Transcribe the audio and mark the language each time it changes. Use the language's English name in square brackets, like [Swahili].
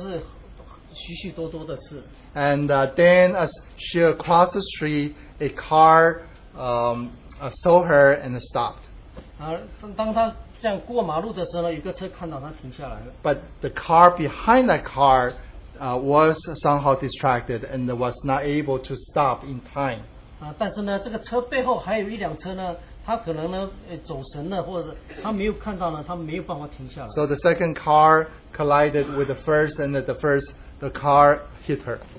[Chinese] 我想呢，她已经这样子的做，已经是许许多多的事。 [English] And then as she crossed the street, a car saw her and stopped. [Chinese] 当她 这样过马路的时候呢，有个车看到他停下来了。 [English] But the car behind that car was somehow distracted and was not able to stop in time. [Chinese] 但是呢，这个车背后还有一辆车呢，他可能呢走神了，或者他没有看到呢，他没有办法停下来。 [English] So the second car collided with the first, and the first the car hit her.